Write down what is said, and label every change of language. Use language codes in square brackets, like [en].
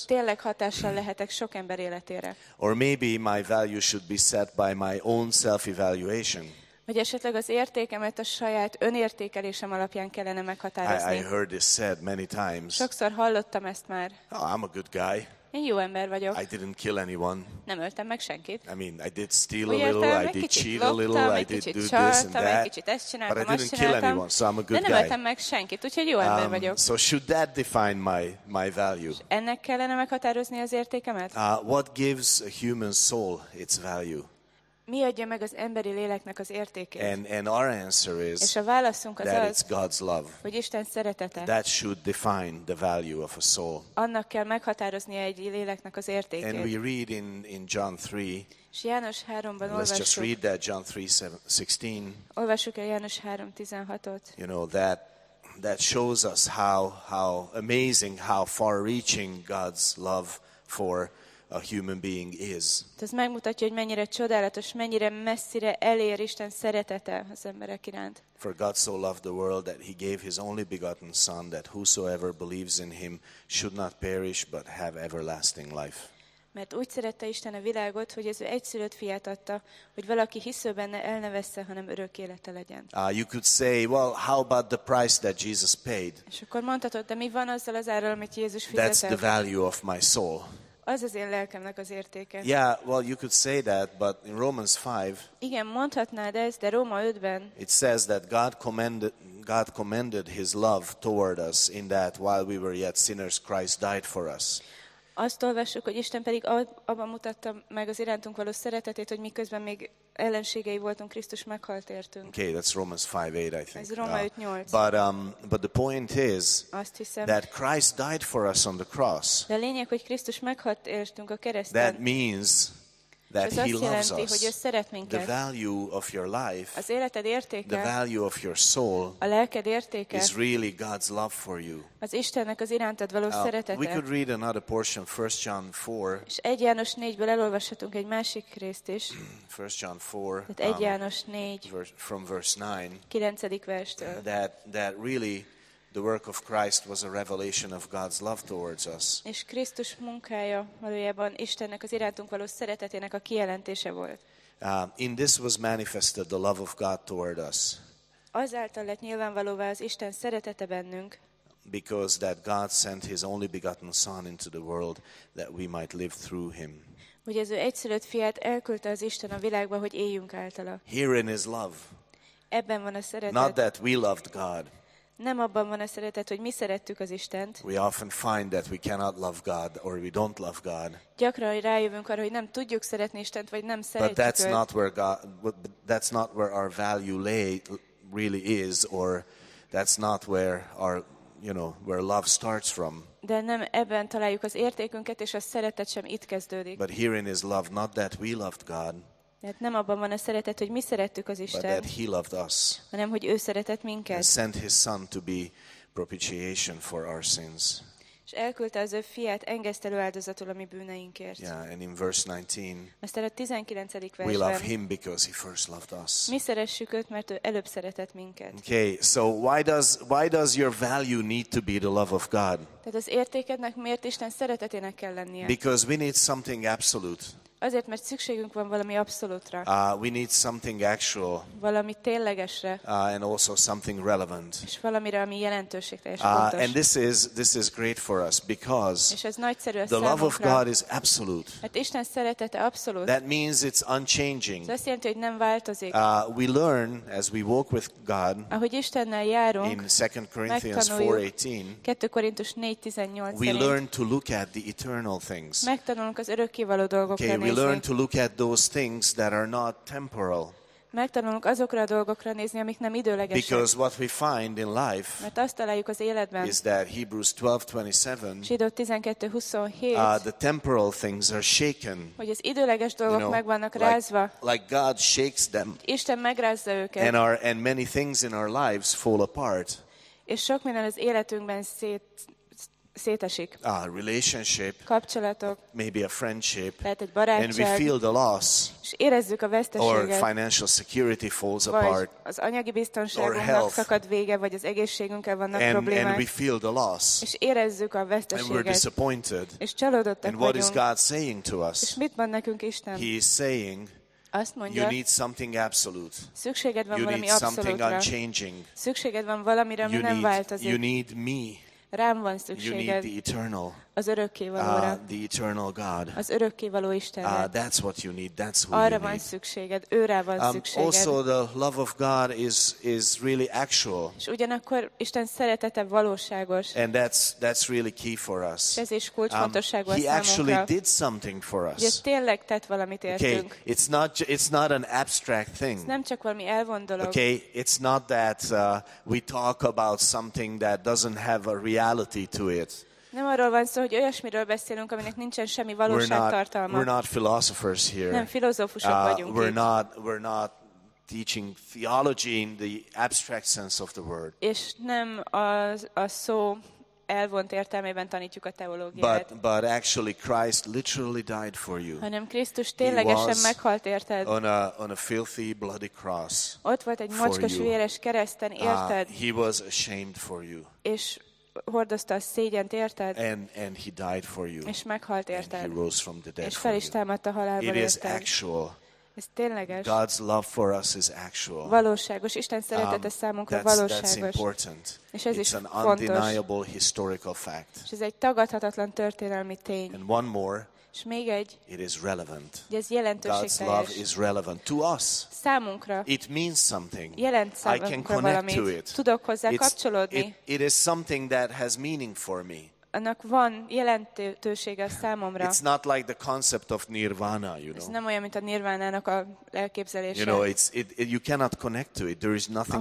[hu] Úgyhogy tényleg hatással lehetek sok ember életére. [en] Or maybe my value should be set by my own self-evaluation. [hu] Vagy esetleg az értékemet a saját önértékelésem alapján kellene meghatározni. [en] I heard this said many times. [hu] Sokszor hallottam ezt már. [en] Oh, I'm a good guy. [hu] Én jó ember vagyok. [en] I didn't kill anyone. [hu] Nem öltem meg senkit. [en] I mean, I did steal a little, I did cheat a little, I did do this and that. But I didn't kill anyone, so I'm a good guy. [hu] De nem öltem meg senkit, úgyhogy jó ember vagyok. [en] So should that define my value? [hu] Ennek kellene meghatározni az értékemet? [en] What gives a human soul its value? [hu] mi adja meg az emberi léleknek az értékét? [en] And our answer is, [hu] és a válaszunk az, [en] that it's God's love, [hu] hogy Isten szeretete. [en] That should define the value of a soul. [hu] Annak kell meghatároznia egy léleknek az értékét. [en] And we read in John 3. [hu] És János 3-ban olvassuk. [en] Let's just read that, John 3:16. [hu] Olvassuk el János 3:16-ot. [en] You know, that shows us how amazing, how far-reaching God's love for a human being is. [hu] Ez megmutatja, hogy mennyire csodálatos, mennyire messzire elér Isten szeretete az emberek iránt. [en] For God so loved the world that he gave his only begotten son, that whosoever believes in him should not perish but have everlasting life. [hu] Mert úgy szerette Isten a világot, hogy az ő egyszülött fiát adta, hogy valaki hisző benne el ne vessze, hanem örök élete legyen. [en] You could say, well, how about the price that Jesus paid? [hu] És akkor mondhatod, de mi van azzal az árral, amit Jézus fizetett? [en] That's the value of my soul. [hu] Az az én lelkemnek az értéke. [en] Yeah, well, you could say that, but in Romans 5. [hu] Igen, mondhatnád ezt, de Róma 5-ben. [en] It says that God commended his love toward us in that while we were yet sinners, Christ died for us. [hu] Azt olvassuk, hogy Isten pedig abban mutatta meg az irántunk való szeretetét, hogy miközben még ellenségei voltunk, Krisztus meghalt értünk. [en] Okay, that's Romans 5:8, I think. [hu] Ez Róma 5:8. [en] But the point is, [hu] azt hiszem, [en] that Christ died for us on the cross. [hu] De a lényeg, hogy Krisztus meghalt értünk a kereszten. [en] That means that he loves us. [hu] Hogy ő szeret minket. [en] The value of your life, [hu] az életed értéke, [en] the value of your soul, [hu] a lelked értéke, [en] is really God's love for you. [hu] Az Istennek az irántad való szeretete. [en] We could read another portion, 1 John 4. [hu] És 1 János 4-ből elolvashatunk egy másik részt is. [en] 1 John 4. [hu] Tehát 1 János 4. [en] From verse 9. [hu] 9. verstől. [en] That really the work of Christ was a revelation of God's love towards us. [hu] És Krisztus munkája valójában Istennek az irántunk való szeretetének a kijelentése volt. [en] In this was manifested the love of God toward us. [hu] Azáltal lett nyilvánvalóvá az Isten szeretete bennünk. [en] Because that God sent his only begotten son into the world that we might live through him. [hu] Hogy az ő egyszülött fiát elküldte az Isten a világba, hogy éljünk általa. [en] Herein is love. [hu] Ebben van a szeretet. [en] Not that we loved God. [hu] Nem abban van a szeretet, hogy mi szerettük az Istent. [en] We often find that we cannot love God or we don't love God. [hu] Gyakran rájövünk arra, hogy nem tudjuk szeretni Istent, vagy nem szeretjük. [en] But that's not where our value lay really is, or that's not where our, you know, where love starts from. [hu] De nem ebben találjuk az értékünket, és a szeretet sem itt kezdődik. [en] But herein is love, not that we loved God. [hu] Tehát nem abban van a szeretet, hogy mi szerettük az Istent, [en] but that he loved us, [hu] hanem hogy ő szeretett minket. [en] And sent his son to be propitiation for our sins. [hu] És elküldte az ő fiát engesztelő áldozatul a mi bűneinkért. [en] Yeah, and in verse 19. [hu] Aztán a 19. versben. [en] We love him because he first loved us. [hu] Mi szeressük őt, mert ő előbb szeretett minket. [en] Okay, so why does your value need to be the love of God? [hu] Tehát az értékednek miért Isten szeretetének kell lennie? [en] Because we need something absolute. [hu] Azért, mert szükségünk van valami abszolútra. [en] We need something actual. [hu] Valami ténylegesre. [en] And also something relevant. [hu] És valamire, ami jelentőségteljes, fontos. [en] And this is great for us because the love of God is absolute. [hu] Hát Isten szeretete abszolút. [en] That means it's unchanging. [hu] Ez azt jelenti, hogy nem változik. [en] We learn as we walk with God. [hu] Ahogy Istennel járunk. [en] In 2 Corinthians 4:18. [hu] 2 Korintus 4:18. [en] We learn to look at the eternal things. [hu] Megtanulunk az örökkévaló dolgokat. [en] Okay, we learn to look at those things that are not temporal. [hu] Megtanulunk azokra a dolgokra nézni, amik nem időlegesek. [en] Because what we find in life, [hu] mert azt találjuk az életben, [en] is that Hebrews 12:27. [hu] Zsidó 12:27. [en] The temporal things are shaken. [hu] Hogy az időleges dolgok, [en] you know, [hu] meg vannak rázva. [en] Like God shakes them. [hu] Isten megrázza őket. [en] And many things in our lives fall apart. [hu] És sok minden az életünkben szétesik. [en] Relationship, [hu] kapcsolatok, [en] maybe a friendship, [hu] lehet egy barátság, [en] and we feel the loss, [hu] és érezzük a veszteséget, [en] or financial security falls [hu] vagy [en] apart, [hu] az anyagi biztonságunknak szakad vége, vagy az egészségünkkel vannak problémák, [en] and we feel the loss, [hu] és érezzük a veszteséget, [en] and we're disappointed, [hu] és csalódottak vagyunk. [en] And what is God saying to us? [hu] És mit van nekünk Isten? [en] He is saying, [hu] azt mondja, [en] you need something absolute. [hu] Szükséged van valami abszolútra. [en] You need something unchanging. [hu] Szükséged van valamire, ami nem változik. [en] You need me. [hu] Rám van szükséged. [en] You need the eternal. [hu] az örökkévalóra. [en] The eternal God. [hu] Az örökkévaló Istenre. [en] That's what you need. That's who [hu] arra [en] you [hu] van [en] need. [hu] Szükséged. Őre van szükséged. [en] Also the love of God is really actual. [hu] És ugyanakkor Isten szeretete valóságos. [en] And that's really key for us. [hu] Ez is kulcsfontosságú számunkra. [en] He actually did something for us. [hu] Ugye, tényleg tett valamit értünk. [en] Okay. It's not an abstract thing. [hu] Ez nem csak valami elvont dolog. [en] Okay, it's not that we talk about something that doesn't have a reality to it. [hu] Nem arról van szó, hogy olyasmiről beszélünk, aminek nincsen semmi valóságtartalma. [en] We're not philosophers here. [hu] Nem filozófusok vagyunk. [en] We're not teaching theology in the abstract sense of the word. [hu] És nem a szó elvont értelmében tanítjuk a teológiát. [en] But actually Christ literally died for you. [hu] Hanem Krisztus ténylegesen meghalt érted. [en] On a filthy bloody cross. [hu] Ott volt egy mocskos véres kereszten érted. [en] He was ashamed for you. [hu] És hordozta a szégyent érted. [en] And he died for you. [hu] És meghalt érted. [en] And he rose from the dead. [hu] És fel is támadt a halálból érted. [en] It is actual. [hu] Ez tényleges. [en] God's love for us is actual. [hu] Valóságos. Isten szeretete számunkra valóságos. [en] That's important. [hu] És ez [en] it's [hu] is [en] an [hu] fontos. [en] Undeniable historical fact. [hu] És ez egy tagadhatatlan történelmi tény. [en] And one more. [hu] És még egy. [en] It is relevant. [hu] Ez jelentőség. [en] God's love is relevant to us. [hu] Számunkra. [en] It means something. [hu] Jelent számunkra [en] I can connect [hu] valamit. [en] To it. [hu] Tudok hozzá [en] it's, [hu] kapcsolódni. [en] It is something that has meaning for me. [hu] Annak van jelentősége számomra. [en] It's not like the concept of nirvana, you know. [hu] Ez nem olyan, mint a nirvánának a elképzelése. [en] You know, it's you cannot connect to it. There is nothing